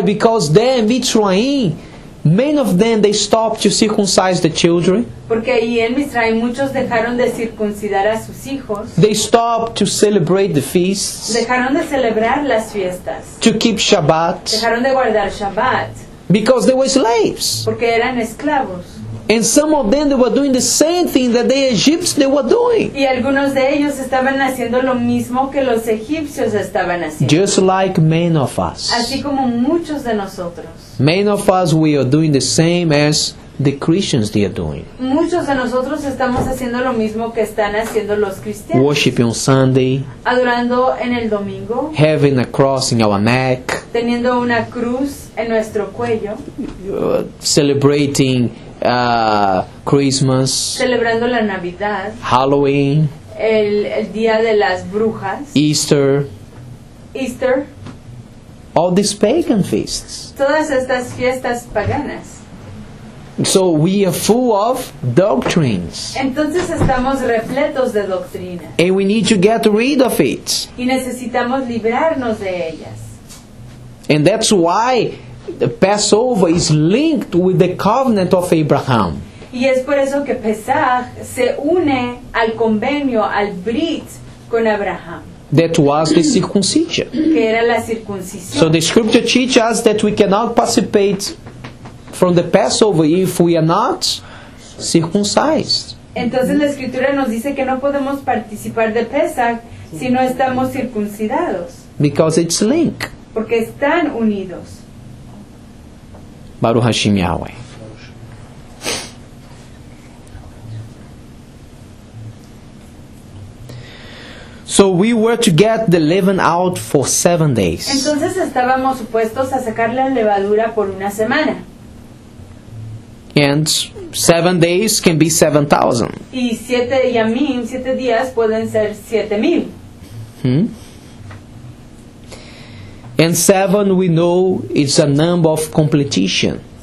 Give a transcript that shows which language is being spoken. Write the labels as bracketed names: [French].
[English] Because there in Mitzrayim, many of them, they stopped to circumcise the children. [Spanish] Porque ahí en Mitzrayim muchos dejaron de circuncidar a sus hijos. [English] They stopped to celebrate the feasts. [Spanish] Dejaron de celebrar las fiestas. [English] To keep Shabbat. [Spanish] Dejaron de guardar Shabbat. [English] Because they were slaves. [Spanish] Porque eran esclavos. [English] And some of them, they were doing the same thing that the Egyptians, they were doing. [Spanish] Y algunos de ellos estaban haciendo lo mismo que los egipcios estaban haciendo. [English] Just like many of us. [Spanish] Así como muchos de nosotros. [English] Many of us, we are doing the same as the Christians, they are doing. [Spanish] Muchos de nosotros estamos haciendo lo mismo que están haciendo los cristianos. [English] Worshiping on Sunday. [Spanish] Adorando en el domingo. [English] Having a cross in our neck. [Spanish] Teniendo una cruz en nuestro cuello. [English] Celebrating Christmas. [Spanish] Celebrando la Navidad. [English] Halloween. [Spanish] El día de las brujas. [English] Easter. All these pagan feasts. [Spanish] Todas estas fiestas paganas. [English] So we are full of doctrines. [Spanish] Entonces estamos repletos de doctrinas. [English] And we need to get rid of it. [Spanish] Y necesitamos librarnos de ellas. [English] And that's why the Passover is linked with the covenant of Abraham. [Spanish] Y es por eso que Pesach se une al convenio, al Brit con Abraham. [English] That was the circumcision. [Spanish] Que era la circuncisión. [English] So the scripture teaches us that we cannot participate from the Passover if we are not circumcised. [Spanish] Entonces la escritura nos dice que no podemos participar de Pesach si no estamos circuncidados. [English] Because it's linked. [Spanish] Porque están unidos. [Hebrew] Baruch Hashem Yahweh. [English] So we were to get the leaven out for 7 days. [Spanish] Entonces estábamos supuestos a sacar la levadura por una semana. [English] And 7 days can be 7,000. [Spanish] Y siete yamim, 7 días pueden ser 7,000. [English] And 7, we know, it's a number of completion.